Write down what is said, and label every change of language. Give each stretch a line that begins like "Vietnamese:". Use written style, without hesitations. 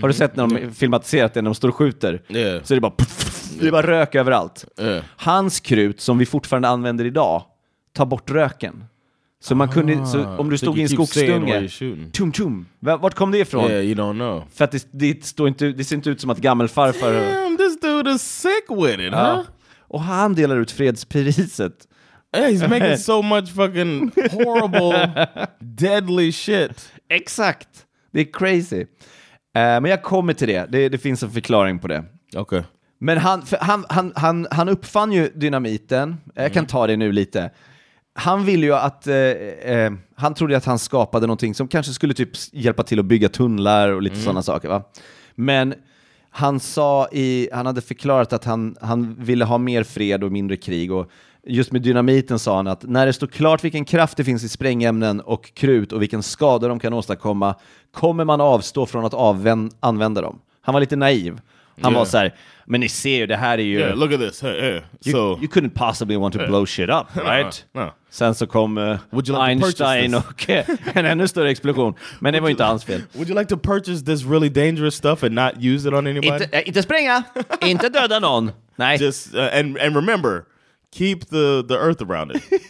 Swedish: Har du sett när de filmatiserat det, när de står och skjuter?
English: Yeah.
Swedish: Så är det bara puff. Det var rök överallt. Hans krut som vi fortfarande använder idag tar bort röken. Så man kunde så om du stod i en skogsdunge. Tum tum. Vart kom det ifrån?
English: Yeah, you don't know.
Swedish: För att det står inte, det ser inte ut som att gammal farfar.
English: Damn, this dude is sick with it, huh?
Swedish: Och han delar ut fredspriset.
English: Yeah, he's making so much fucking horrible deadly shit.
Swedish: Exakt. Det är crazy. Men jag kommer till det. Det finns en förklaring på det. Okej. Okay. Men han uppfann ju dynamiten. Jag kan ta det nu lite. Han ville ju att han trodde att han skapade någonting som kanske skulle typ hjälpa till att bygga tunnlar och lite sådana saker, va. Men han sa i han hade förklarat att han ville ha mer fred och mindre krig, och just med dynamiten sa han att när det står klart vilken kraft det finns i sprängämnen och krut och vilken skada de kan åstadkomma, kommer man avstå från att använda dem. Han var lite naiv. Han var såhär, men ni ser ju, det här är ju...
English: Yeah, look at this. Hey, hey. You couldn't possibly want to blow shit up, right? No.
Swedish: Sen så kom Einstein och en ännu större explosion. Men det var ju inte hans fel.
English: Would you like to purchase this really dangerous stuff and not use it on anybody?
Swedish: Inte springa! Inte döda någon! Nej.
English: Just, and remember, keep the earth around it.